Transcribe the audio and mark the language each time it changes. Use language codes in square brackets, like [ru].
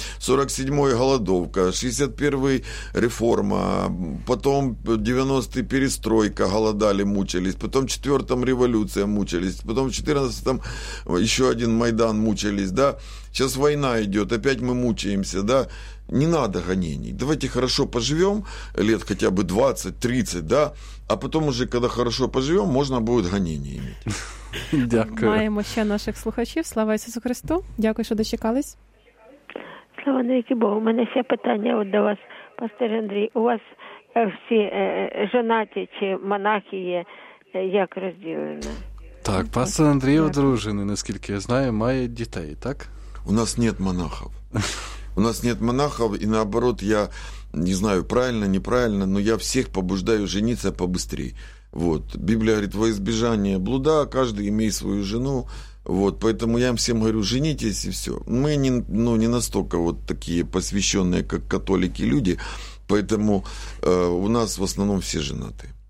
[ru] 47-й голодовка, 61-й реформа, потом 90-й перестройка, голодали, мучились, потом 4-м революция, мучились, потом в 14-м еще один Майдан, мучились, да, сейчас война идет, опять мы мучаемся, да. Не надо гонений. Давайте хорошо поживем, лет хотя бы 20-30, да? А потом уже, когда хорошо поживем, можно будет гонения иметь. [uk] Дякую. Маємо ще наших слухачів. Слава Ісусу Христу. Дякую, що дочекались. Слава навіки Богу. У мене ще питання от до вас, пастор Андрій. У вас всі женаті чи монахи є, як розділені? Так, пастор Андрій одружений, наскільки я знаю, має дітей, так? [ru] У нас нет монахов. У нас нет монахов, и наоборот, я не знаю, правильно, неправильно, но я всех побуждаю жениться побыстрее. Вот. Библия говорит, во избежание блуда, каждый имеет свою жену. Вот. Поэтому я им всем говорю, женитесь, и все. Мы не настолько вот такие посвященные, как католики, люди, поэтому у нас в основном все женаты.